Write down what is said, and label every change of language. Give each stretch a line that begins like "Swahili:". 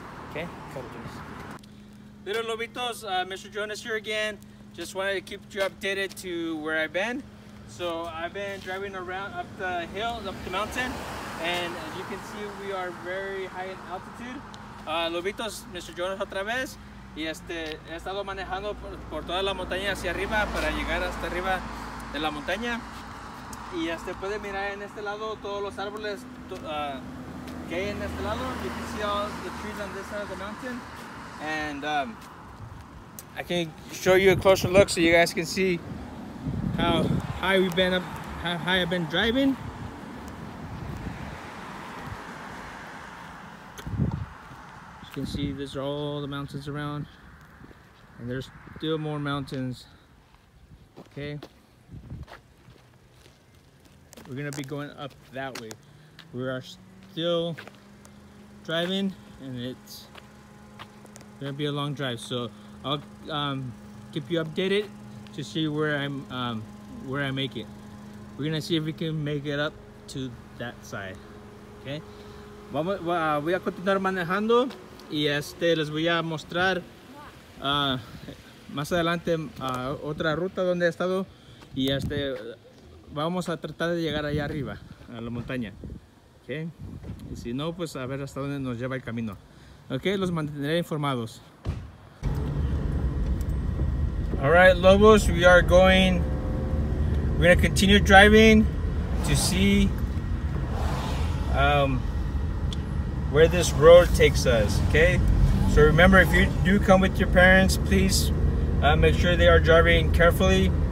English: Okay, cuddles. Little lobitos, Mr. Jonas here again. Just wanted to keep you updated to where I've been. So I've been driving around up the hill, up the mountain, and as you can see, we are very high in altitude.
Spanish: Lobitos, Mr. Jonas otra vez, y he estado manejando por toda la montaña hacia arriba para llegar hasta arriba de la montaña, y pueden mirar en este lado todos los árboles que hay en este lado.
English: You can see all the trees on this side of the mountain, and I can show you a closer look so you guys can see how high we've been up, how high I've been driving. You can see these are all the mountains around, and there's still more mountains. Okay, we're gonna be going up that way. We are still driving, and it's gonna be a long drive, so I'll keep you updated to see where I make it. We're gonna see if we can make it up to that side.
Spanish: Okay, voy a continuar manejando. Y les voy a mostrar más adelante otra ruta donde he estado, y vamos a tratar de llegar allá arriba a la montaña, okay. Y si no, pues a ver hasta dónde nos lleva el camino, okay. Los mantendré informados.
English: All right, lobos, we're gonna continue driving to see where this road takes us, okay? So remember, if you do come with your parents, please make sure they are driving carefully.